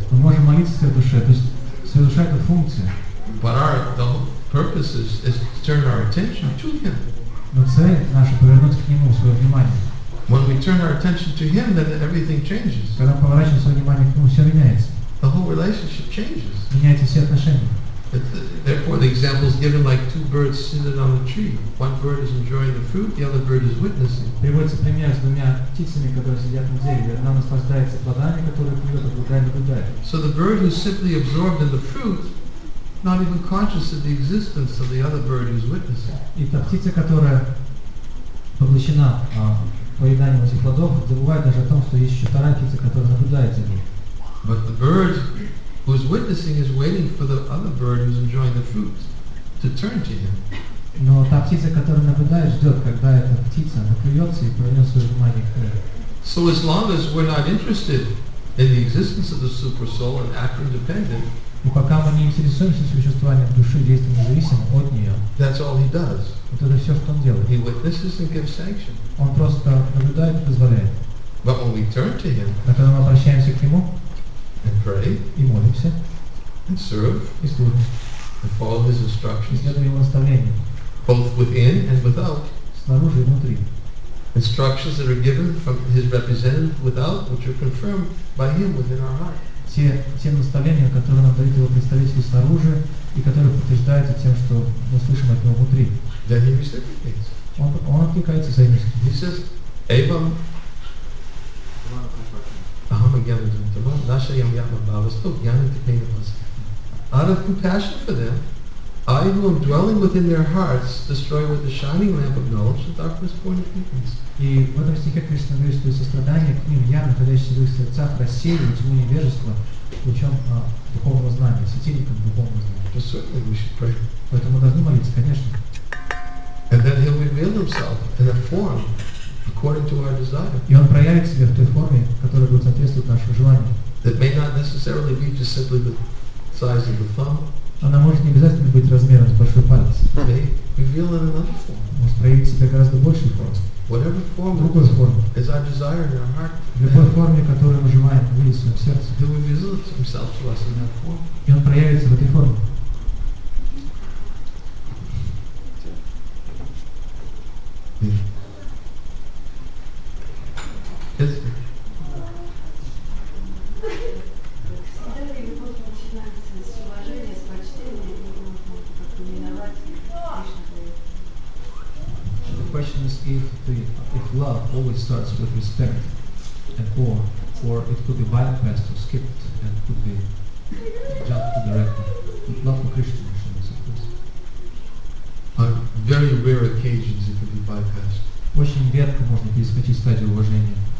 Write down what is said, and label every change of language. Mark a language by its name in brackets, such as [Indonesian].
[Russian] Мы можем молиться своей душе, то есть своя душа это функция. [English] But the purpose is to turn our attention to him. [Russian] Но цель наша повернуть к нему свое внимание. [English] When we turn our attention to him, then everything changes. [Russian] Когда мы поворачиваем свое внимание к нему, все меняется. [English] The whole relationship changes. [Russian] Меняются все отношения. [English] Therefore, the example is given like two birds sitting on a tree. One bird is enjoying the fruit, the other bird is witnessing. [Russian] Приводится пример с двумя птицами, которые сидят на дереве. Одна наслаждается плодами, которые клюет, а другая наблюдает. [English] So the bird who's simply absorbed in the fruit, not even conscious of the existence of the other bird who's witnessing. [Russian] И та птица, которая поглощена поеданием этих плодов, забывает даже о том, что есть еще вторая птица, которая наблюдает за ней. [English] But the bird who is witnessing is waiting for the other bird who is enjoying the fruit to turn to him. [Russian] Но та птица, которая наблюдает, ждет, когда эта птица наклюется и повернет свое внимание к ней. [English] So as long as we're not interested in the existence of the super soul and acting dependent, [Russian] и пока мы не интересуемся существованием души, действуем независимо от нее, [English] that's all he does. [Russian] Вот это все, что он делает. [English] He witnesses and gives sanction. [Russian] Он просто наблюдает и позволяет. [English] But when we turn to him, [Russian] а когда мы обращаемся к нему, [English] and pray, [Russian] и молимся, [English] and serve, [Russian] и служим, [English] and follow his instructions, [Russian] и следуем его наставлениям, [English] both within and without, [Russian] снаружи и внутри, [English] instructions that are given from his representative without, which are confirmed by him within our heart. [Russian] Все наставления, которые нам дают его представители снаружи, и которые подтверждаются тем, что мы слышим от него внутри. [English] Then he reciprocates. [Russian] Он откликается за ним. [English] He says, Abam. Out of compassion for them, I who am dwelling within their hearts, destroy with the shining lamp of knowledge the darkness born of ignorance. [Russian] И в этом стихе Кришна говорит, что из-за страдания к ним я, находящийся в их сердцах, рассеиваю тьму невежества лучом духовного знания, светильником духовного знания. [English] Certainly we should pray. [Russian] Поэтому мы должны молиться, конечно. [English] And then he'll reveal himself in a form according to our desire. [Russian] И он проявит себя в той форме, которая будет соответствовать нашему желанию. [English] That may not necessarily be just simply the size of the thumb. [Russian] Она может не обязательно быть размером с большой палец. [English] May reveal in another form. [Russian] Может проявить себя гораздо большей формой. [English] Whatever form. [Russian] Другой формы. [English] Is our desire in our heart. [Russian] В любой форме, которую мы желаем увидеть в своем сердце. [English] He'll reveal himself to us in that form. [Russian] И он проявится в этой форме. Всегда ли любовь начинается с уважения, с почтения, и можно как-то миновать? [English] So the question is if love always starts with respect and awe, or it could be bypassed or skipped and could be jumped to the right. Love for Krishna, I suppose. On very rare occasions it could be bypassed. [Russian] Очень редко можно перескочить стадию уважения.